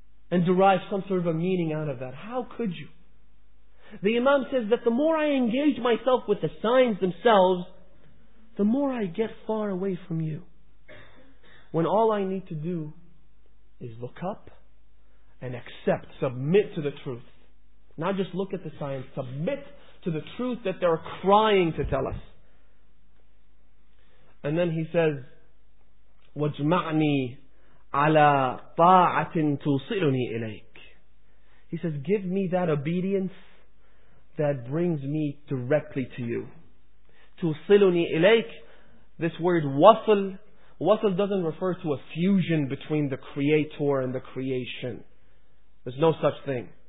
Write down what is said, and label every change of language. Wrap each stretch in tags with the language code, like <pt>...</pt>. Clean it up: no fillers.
<en>And derive some sort of a meaning out of that. How could you? The Imam says that the more I engage myself with the signs themselves, the more I get far away from you. When all I need to do is look up and accept, submit to the truth. Not just look at the signs, submit to the truth that they're crying to tell us. And then he says,</en> <ar>وَاجْمَعْنِي عَلَىٰ طَاعَةٍ تُوصِلُنِي إِلَيْكَ.</ar> <en>He says, give me that obedience that brings me directly to you.</en> <ar>تُوصِلُنِي إِلَيْكَ.</ar> <en>This word wasl, wasl doesn't refer to a fusion between the creator and the creation. There's no such thing.</en>